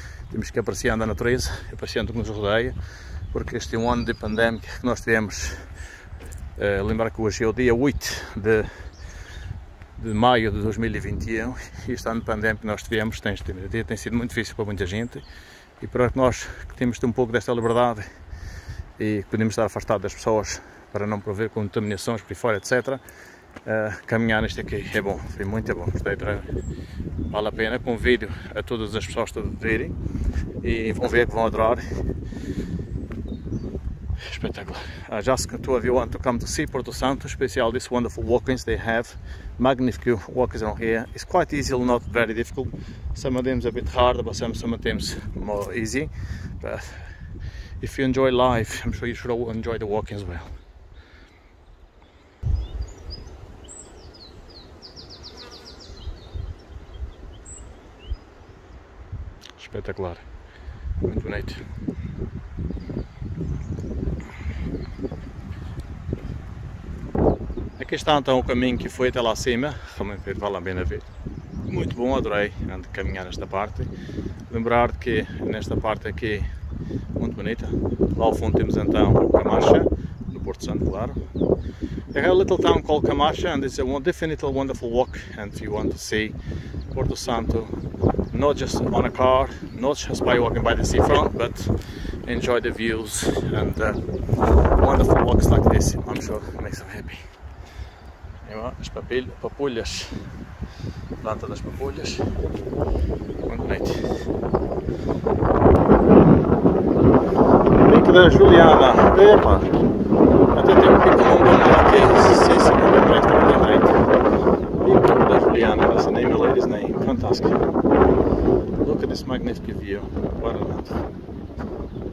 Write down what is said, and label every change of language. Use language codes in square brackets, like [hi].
[pt] Temos que apreciar a natureza, apreciando o que nos rodeia, porque este ano de pandemia que nós tivemos, lembrar que hoje é o dia 8 de maio de 2021, e este ano de pandemia que nós tivemos tem sido muito difícil para muita gente, e para nós que temos um pouco desta liberdade e que podemos estar afastados das pessoas para não prover contaminações por aí fora, etc., caminhar neste aqui é bom, foi muito bom, gostei, vale a pena. Convido a todas as pessoas a virem e vão ver que vão adorar. Espetacular. [en] I just to everyone to come to see Porto Santo, especially these wonderful walkings they have. Magnificent walkings around here. It's quite easy, not very difficult. Some of them is a bit harder, but some of them is more easy. But if you enjoy life, I'm sure you should all enjoy the walking as well. [pt] Espetacular, muito bonito. Aqui está então o caminho que foi até lá acima, realmente vale a pena ver. Muito bom, adorei antes de caminhar nesta parte. Lembrar que nesta parte aqui, muito bonita, lá ao fundo temos então o Camacha, no Porto Santo, claro. [en] I have a little town called Camacha, and it's a definitely wonderful walk, and if you want to see Porto Santo, not just on a car, not just by walking by the seafront, but enjoy the views and wonderful walks like this, I'm sure it makes them happy. [pt] As papulhas, planta das papulhas, muito bonito. Pico da Juliana, epa! Até tem um pico longo aqui, sim, sim, muito bonito, muito bonito. [en] Pico da Juliana, that's the name of the lady's name, fantastic. Look at this magnificent view, what a lot.